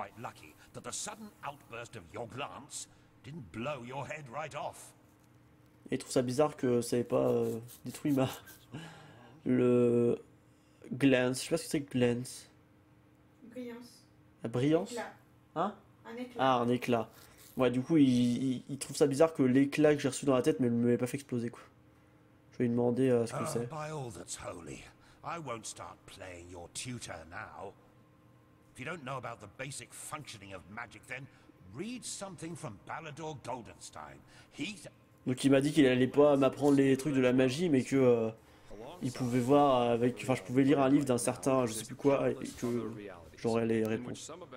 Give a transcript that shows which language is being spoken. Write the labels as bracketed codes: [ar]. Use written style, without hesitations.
[en] Actually, that the sudden outburst of your glance didn't blow your head right off. [fr] Et il trouve ça bizarre que ça ait pas détruit Le glance, je sais pas ce que c'est que glance. Brillance. La Un brillance? éclat. Hein? Un Ah, éclat. un éclat. Ouais, du coup, il trouve ça bizarre que l'éclat que j'ai reçu dans la tête ne me l'ait pas fait exploser, quoi. Je vais lui demander ce que c'est. [en] By all that's holy, I won't start playing your tutor now. If you don't know about the basic functioning of magic, then read something from Balador Goldenstein. [fr] Donc il m'a dit qu'il allait pas m'apprendre les trucs de la magie, mais que il pouvait voir avec, enfin je pouvais lire un livre d'un certain, je sais plus quoi, et que j'aurais les réponses.